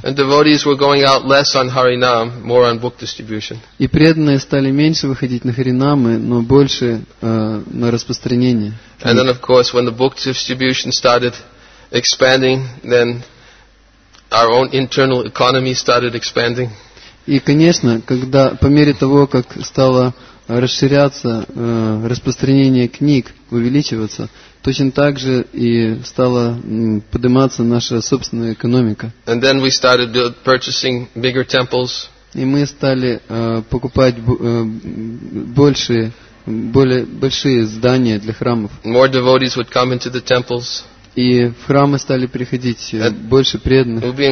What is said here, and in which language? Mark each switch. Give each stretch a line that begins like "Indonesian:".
English: And devotees were going out less on Harinam, more on book distribution.
Russian: И преданные стали меньше выходить на Харинамы, но больше на распространение.
English: And then, of course, when the book distribution started expanding, then our own internal economy started expanding.
Russian: И, конечно, когда по мере того, как стало расширяться распространение книг, увеличиваться, точно так же и стала подниматься наша собственная экономика.
English: And then we started purchasing bigger temples.
Russian: И мы стали покупать более большие здания для храмов.
English: More devotees would come into the temples.
Russian: И в храмы стали приходить больше преданных.